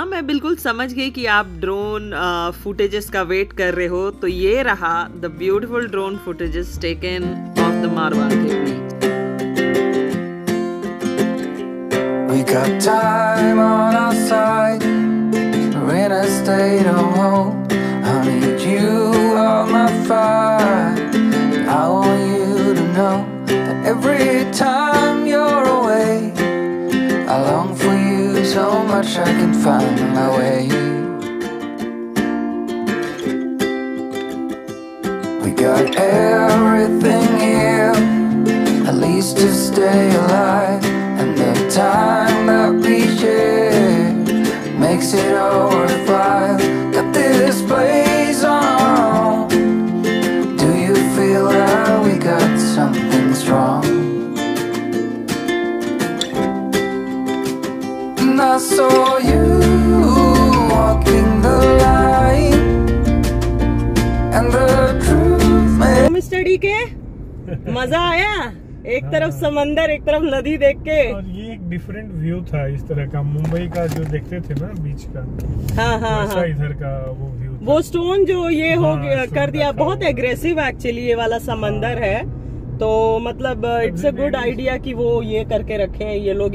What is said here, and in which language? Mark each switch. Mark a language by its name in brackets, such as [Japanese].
[Hindi] बिल्कुल समझ गए कि आप ड्रोन फुटेजेस का वेट कर रहे हो, तो ये रहा [English] The beautiful drone footages taken of the Maravanthe beach. We got time on our side, when I stay at home, I need you on my fire, I want you to know that every time you're away, I long for you so much I can find my way. We got everything here, at least to stay alive, and the time that we share makes it all worthwhile. Got this place on, do you feel that we got something strong? I saw you walking the line and the truth. [Hindi] Mister DK, मजा आया एक तरफ समंदर एक तरफ नदी देख के, और ये एक डिफरेंट व्यू था इस तरह का, मुंबई का जो देखते थे ना बीच का, हाँ इधर का वो व्यू, वो स्टोन जो ये हो कर दिया, बहुत एग्रेसिव एक्चुअली ये वाला समंदर है, तो मतलब [English] it's a good idea [Hindi] कि वो ये करके रखे हैं ये लोग,